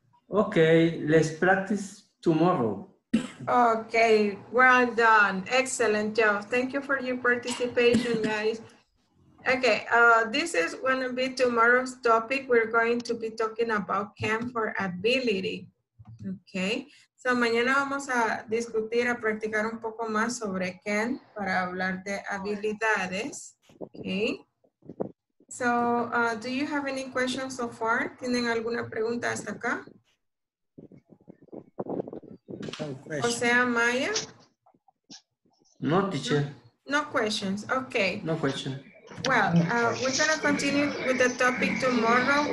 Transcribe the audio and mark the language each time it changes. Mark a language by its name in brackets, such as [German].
[English] Okay, let's practice tomorrow. Okay, well done. Excellent job. Thank you for your participation, guys. Okay, this is going to be tomorrow's topic. We're going to be talking about CAN for ability. [Spanish] Okay, so mañana vamos a discutir, a practicar un poco más sobre CAN para hablar de habilidades. Okay. [English] So, do you have any questions so far? [Spanish] ¿Tienen alguna pregunta hasta acá? Jose Amaya? [English] No, teacher. No questions. Okay. No question. Well, we're going to continue with the topic tomorrow.